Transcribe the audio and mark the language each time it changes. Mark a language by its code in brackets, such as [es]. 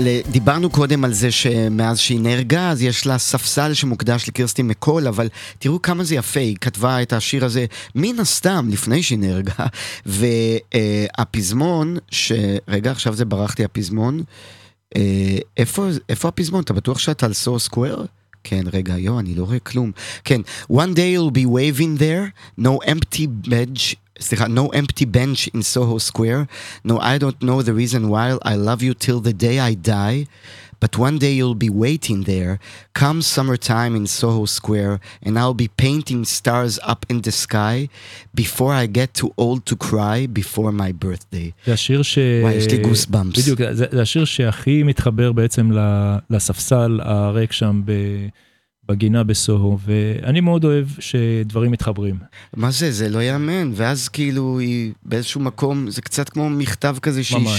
[he] דיברנו קודם על זה שמאז שהיא נהרגה, אז יש לה ספסל שמוקדש לקירסטין מקול, אבל תראו כמה זה יפה, היא כתבה את השיר הזה מן הסתם לפני שהיא נהרגה, והפזמון ש... רגע, עכשיו זה ברחתי הפזמון. איפה הפזמון? אתה בטוח שאתה על סור סקוור? כן, רגע, יו, אני לא רואה כלום. [en] כן, one day you'll be waving there, no empty bench, [he] סליחה, [en] no empty bench in Soho Square, no, I don't know the reason why I love you till the day I die, but one day you'll be waiting there, come summertime in Soho Square, and I'll be painting stars up in the sky, before I get too old to cry, before my birthday. [he] זה השיר ש... וואי, יש לי goosebumps. בדיוק, זה השיר שהכי מתחבר בעצם לספסל הריק שם ב... בגינה בסוהו, ואני מאוד אוהב שדברים מתחברים. מה זה? זה לא יאמן. ואז כאילו היא באיזשהו מקום, זה קצת כמו מכתב כזה שהיא ממש.